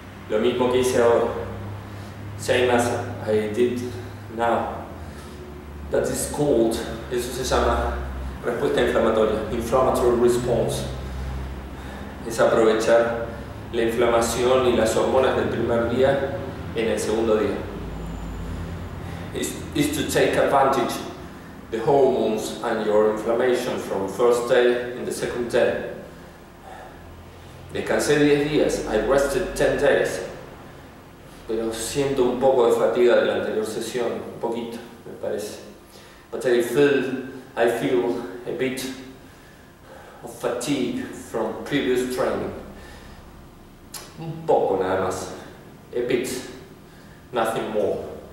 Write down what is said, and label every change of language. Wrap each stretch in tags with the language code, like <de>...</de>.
<es>Lo mismo que hice ahora, same as I did now.</es> <en>That is called, eso se llama respuesta inflamatoria, inflammatory response.</en> <es>Es aprovechar la inflamación y las hormonas del primer día en el segundo día.</es> <en>Is to take advantage. The hormones and your inflammation from first day in the second day. Descansé 10 días, I rested 10 days.</en> <es>Pero siento un poco de fatiga de la anterior sesión, un poquito, me parece.</es> <en>But I feel a bit of fatigue from previous training.</en> <es>Un poco nada más, a bit, nothing more.</es>